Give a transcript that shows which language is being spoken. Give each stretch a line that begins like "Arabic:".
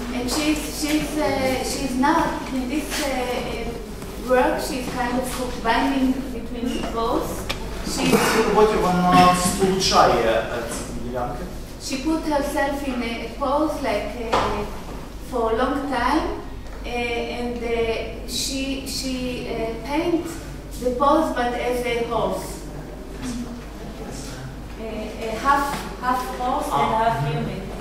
English: And she's now in this work she's kind of combining between both.
Ukrainian: Цю роботі вона сполучає ці ділянки.
English: She put herself in a pose like for a long time. And she paints the pose, but as a horse, a half horse and half human.